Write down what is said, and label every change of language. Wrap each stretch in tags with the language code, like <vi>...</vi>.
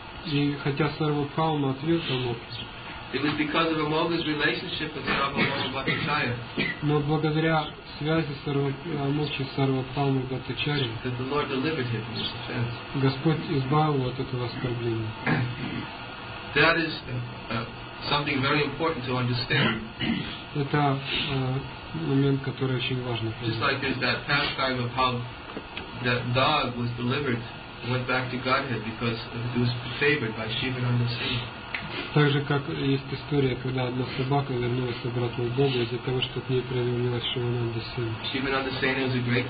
<ru>И хотя Сарвабхаума отверг Амога,</ru> <en>it was because of Amoga's relationship with Sarvabhauma Bhattacharya.</en> <ru>Но благодаря связи Амокши с Сарвабхаумой Бхаттачарьей,</ru> <en>that the Lord delivered him from his offense.</en> <ru>Господь избавил от этого оскорбления.</ru> <en>That is something very important to understand.</en> <ru>Это момент, который очень важен.</ru> <en>Just like there's that pastime of how that dog was delivered and went back to Godhead because it was favored by Shiva on the sea.</en> <ru>Так же, как есть история, когда одна собака вернулась обратно к Богу из-за того, что к ней проявилась Шивананда Сена.</ru>